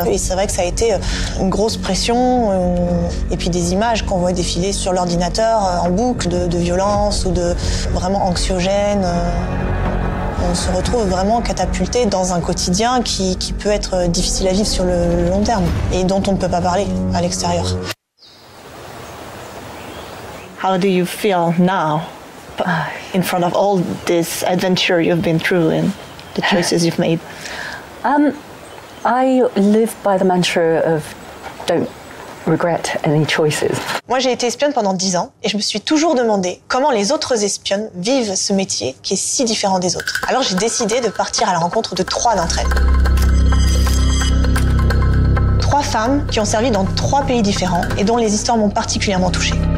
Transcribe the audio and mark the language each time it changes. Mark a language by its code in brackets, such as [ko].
[fr] Et c'est vrai que ça a été une grosse pression. Et puis des images qu'on voit défiler sur l'ordinateur en boucle de violence ou de vraiment anxiogène. On se retrouve vraiment catapulté dans un quotidien qui peut être difficile à vivre sur le long terme et dont on ne peut pas parler à l'extérieur. [en] How do you feel now in front of all this adventure you've been through and the choices you've made? I live by the mantra of don't regret any choices. [fr] Moi, j'ai été espionne pendant 10 ans et je me suis toujours demandé comment les autres espionnes vivent ce métier qui est si différent des autres. Alors j'ai décidé de partir à la rencontre de trois d'entre elles. Trois femmes qui ont servi dans trois pays différents et dont les histoires m'ont particulièrement touchée.